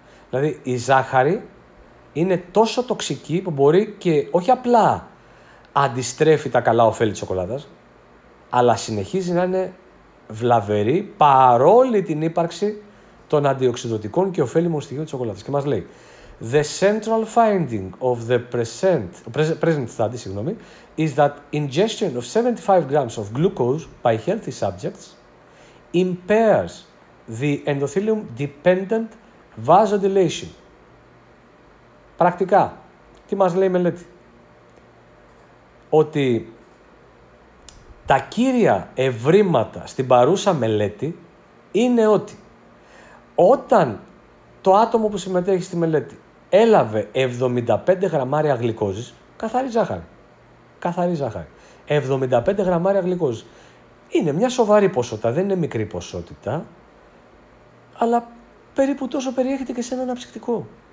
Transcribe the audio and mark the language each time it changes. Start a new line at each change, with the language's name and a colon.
Greek: Δηλαδή η ζάχαρη είναι τόσο τοξική που μπορεί και όχι απλά αντιστρέφει τα καλά ωφέλη της σοκολάτας, αλλά συνεχίζει να είναι βλαβερή παρόλη την ύπαρξη των αντιοξειδωτικών και ωφέλιμων στοιχείων της σοκολάτας. Και μας λέει,
English: the central finding of the present study,
Greek: συγγνώμη,
English: is that ingestion of 75 grams of glucose by healthy subjects impairs the endothelium dependent vasodilation.
Greek: Πρακτικά, τι μας λέει η μελέτη? Ότι τα κύρια ευρήματα στην παρούσα μελέτη είναι ότι όταν το άτομο που συμμετέχει στη μελέτη έλαβε 75 γραμμάρια γλυκόζης, καθαρή ζάχαρη, 75 γραμμάρια γλυκόζης, είναι μια σοβαρή ποσότητα, δεν είναι μικρή ποσότητα, αλλά περίπου τόσο περιέχεται και σε ένα αναψυκτικό.